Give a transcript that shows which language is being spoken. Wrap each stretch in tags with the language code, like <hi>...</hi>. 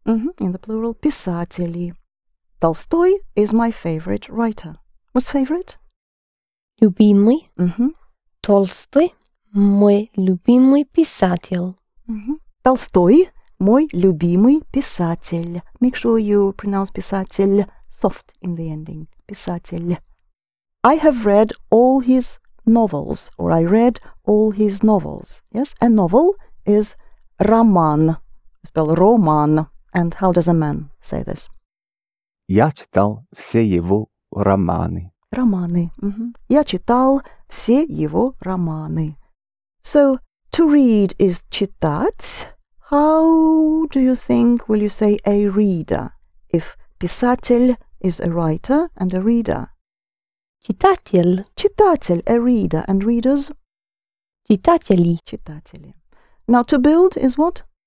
<en>Mm-hmm. In the plural, писатели. Толстой is my favorite writer. What's favorite?</en> <ru>Любимый. Mm-hmm. Толстой мой любимый писатель. Mm-hmm. Толстой мой любимый писатель.</ru> <en>Make sure you pronounce писатель soft in the ending. Писатель. I have read all his novels, or I read all his novels. Yes, a novel is роман. Spell роман. And how does a man say this?</en> <ru>Я читал все его романы. Романы. Mm-hmm. Я читал все его романы.</ru> <en>So, to read is читать. How do you think will you say a reader if писатель is a writer and a reader?</en> <ru>Читатель.</ru> <en>Читатель, a reader, and readers?</en> <ru>Читатели.</ru> <en>Читатели. Now, to build is what?</en>